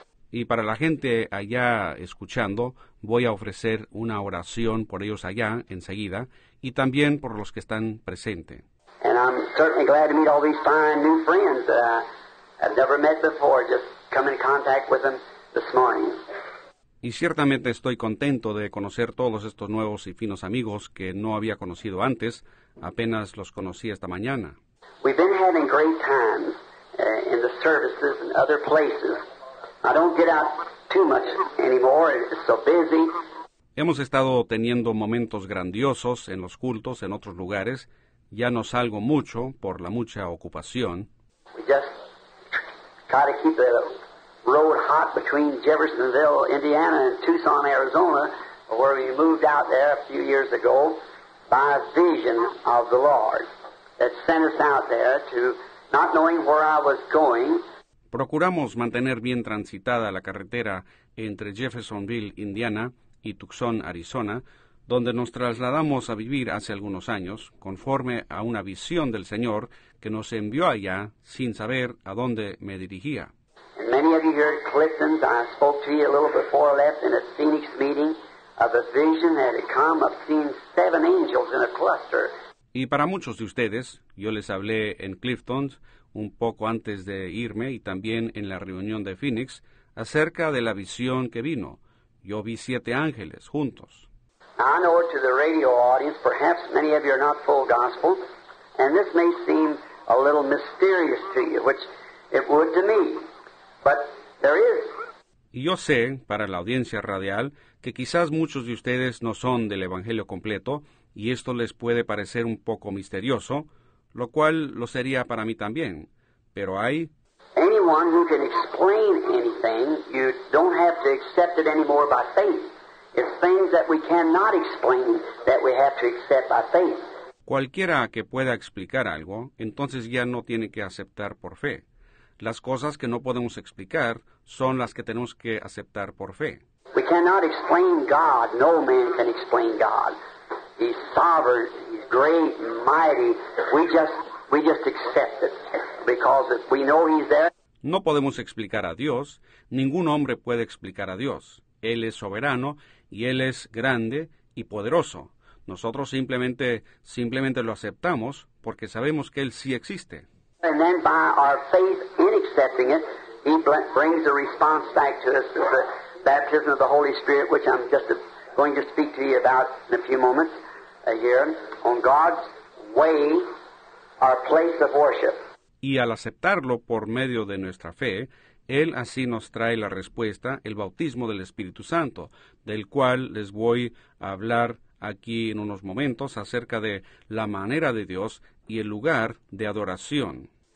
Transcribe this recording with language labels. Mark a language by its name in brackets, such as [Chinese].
[Spanish] Y para la gente allá escuchando, voy a ofrecer una oración por ellos allá enseguida y también por los que están presentes. [English] And I'm certainly glad to meet all these fine new friends that I've never met before, just come in contact with them this morning. [Spanish] Y ciertamente estoy contento de conocer todos estos nuevos y finos amigos que no había conocido antes, apenas los conocí esta mañana. [English] We've been having great times in the services and other places. I don't get out too much anymore, it's so busy. [Spanish] Hemos estado teniendo momentos grandiosos en los cultos en otros lugares. Ya no salgo mucho por la mucha ocupación. [English] We just try to keep the road hot between Jeffersonville, Indiana and Tucson, Arizona, where we moved out there a few years ago by a vision of the Lord that sent us out there to not knowing where I was going. [Spanish] Procuramos mantener bien transitada la carretera entre Jeffersonville, Indiana y Tucson, Arizona, donde nos trasladamos a vivir hace algunos años, conforme a una visión del Señor que nos envió allá sin saber a dónde me dirigía. [English] And many of you here at Clifton's, I spoke to you a little before I left in a Phoenix meeting of a vision that had come of seeing seven angels in a cluster. [Spanish] Y para muchos de ustedes, yo les hablé en Clifton's un poco antes de irme y también en la reunión de Phoenix acerca de la visión que vino. Yo vi siete ángeles juntos. [English] I know to the radio audience, perhaps many of you are not full gospel, and this may seem a little mysterious to you, which it would to me, but there is. [Spanish] Y yo sé, para la audiencia radial, que quizás muchos de ustedes no son del Evangelio completo, y esto les puede parecer un poco misterioso, lo cual lo sería para mí también, pero hay... [English] Anyone who can explain anything, you don't have to accept it anymore by faith. It's things that we cannot explain that we have to accept by faith. [Spanish] Cualquiera que pueda explicar algo, entonces ya no tiene que aceptar por fe. Las cosas que no podemos explicar son las que tenemos que aceptar por fe. [English] We cannot explain God. No man can explain God. He's sovereign, he's great, mighty. We just accept it because we know he's there. [Spanish] No podemos explicar a Dios. Ningún hombre puede explicar a Dios. Él es soberano y Él es grande y poderoso. Nosotros simplemente lo aceptamos porque sabemos que Él sí existe. [English] And then by our faith in accepting it, He brings a response back to us with the baptism of the Holy Spirit, which I'm just going to speak to you about in a few moments here, on God's way, our place of worship. [Spanish] Y al aceptarlo por medio de nuestra fe, Él así nos trae la respuesta, el bautismo del Espíritu Santo, del cual les voy a hablar aquí en unos momentos acerca de la manera de Dios y el lugar de adoración.